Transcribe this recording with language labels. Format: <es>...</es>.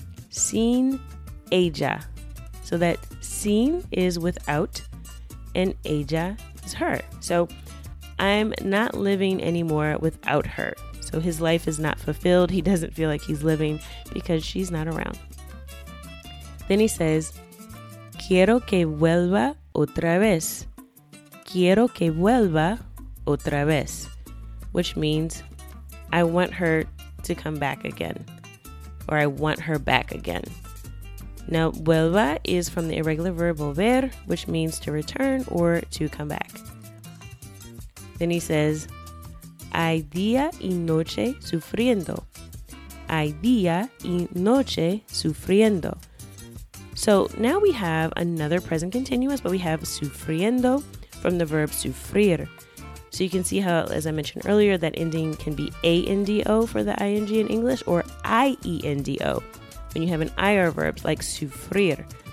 <es>Sin ella.</es> <en>So that sin is without and ella is her. So I'm not living anymore without her. So his life is not fulfilled. He doesn't feel like he's living because she's not around. Then he says,</en> <es>quiero que vuelva otra vez. Quiero que vuelva otra vez.</es> <en>Which means I want her to come back again, or I want her back again. Now, vuelva is from the irregular verb volver, which means to return or to come back. Then he says,</en> <es>hay día y noche sufriendo. Hay día y noche sufriendo.</es> <en>So now we have another present continuous, but we have sufriendo from the verb sufrir. So you can see how, as I mentioned earlier, that ending can be A-N-D-O for the I-N-G in English or I-E-N-D-O when you have an IR verb like sufrir.</en>